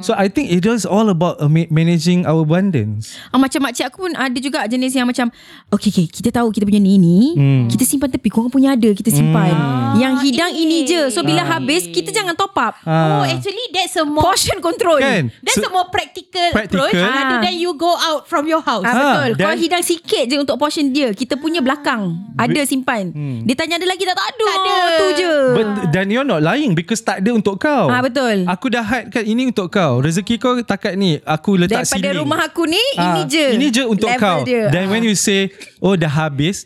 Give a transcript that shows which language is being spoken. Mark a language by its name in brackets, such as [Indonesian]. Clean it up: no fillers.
[English] So I think it is all about managing our abundance. [Malay] Macam makcik aku pun ada juga jenis yang macam okay kita tahu kita punya ni kita simpan tepi, korang punya ada kita simpan. Yang hidang ini je. So bila habis kita jangan top up. [English] Actually that's a more portion control [Malay] kan? [English] That's a more practical approach rather than you go out from your house. [Malay] Betul. Kau hidang sikit je untuk portion dia, kita punya belakang ada simpan. Dia tanya ada lagi dah, tak ada. Oh, tu je. [English] But, then you're not lying because [Malay] tak ada untuk kau. Betul. Aku dah hadkan ini untuk kau. Rezeki kau takat ni. Aku letak sini. Daripada rumah aku ni, ini je. Ini je untuk level kau. Dia. [English] Then when you say, [Malay] oh dah habis.